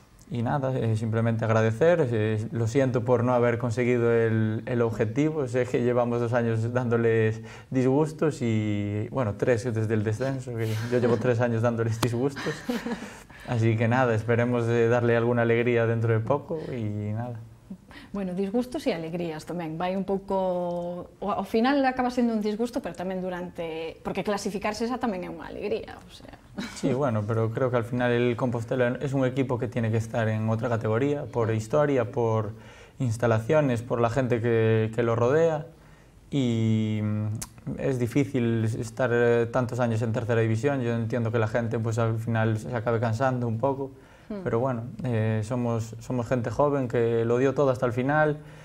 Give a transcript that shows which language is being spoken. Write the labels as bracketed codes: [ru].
[es] Y nada, simplemente agradecer, lo siento por no haber conseguido el objetivo, sé que llevamos 2 años dándoles disgustos y, bueno, 3 desde el descenso, que yo llevo 3 años dándoles disgustos, así que nada, esperemos darle alguna alegría dentro de poco y nada. [gl] Bueno, disgustos e alegrías tamén, vai un pouco, ao final acaba sendo un disgusto, pero tamén durante, porque clasificarse esa tamén é unha alegría, o sea. [es] Sí, bueno, pero creo que ao final el Compostela é un equipo que tiene que estar en outra categoría, por historia, por instalaciones, por la gente que lo rodea, [gl] e é difícil [es] estar tantos años en tercera división, yo entiendo que la gente ao final se acabe cansando un pouco, pero bueno, somos gente joven que lo dio todo hasta el final.